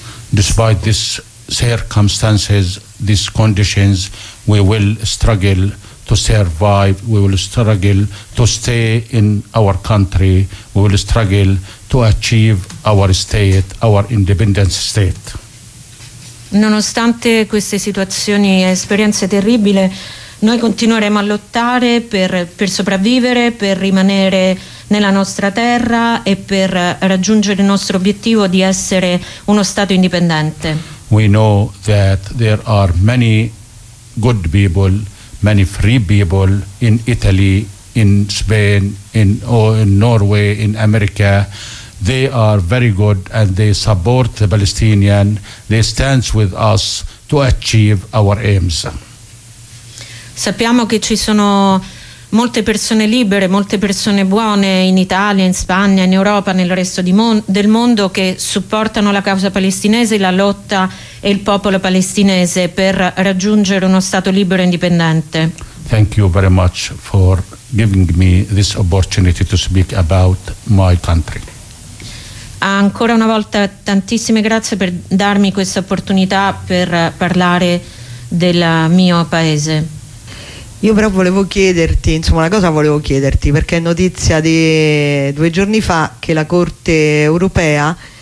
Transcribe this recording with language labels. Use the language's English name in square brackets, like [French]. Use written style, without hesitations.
[English] Despite these circumstances, these conditions, we will struggle to survive, we will struggle to stay in our country, we will struggle to achieve our state, our independent state. [Italian] Nonostante queste situazioni e esperienze terribili, noi continueremo a lottare per sopravvivere, per rimanere nella nostra terra e per raggiungere il nostro obiettivo di essere uno Stato indipendente. [English] We know that there are many good people, many free people in Italy, in Spain, in Norway, in America. They are very good and they support the Palestinian. They stand with us to achieve our aims. [Italian] Sappiamo che ci sono molte persone libere, molte persone buone in Italia, in Spagna, in Europa, nel resto del mondo che supportano la causa palestinese, la lotta e il popolo palestinese per raggiungere uno Stato libero e indipendente. [English] Thank you very much for giving me this opportunity to speak about my country. [Italian] Ancora una volta tantissime grazie per darmi questa opportunità per parlare del mio paese. Io però volevo chiederti, insomma, una cosa volevo chiederti, perché è notizia di due giorni fa che la Corte Europea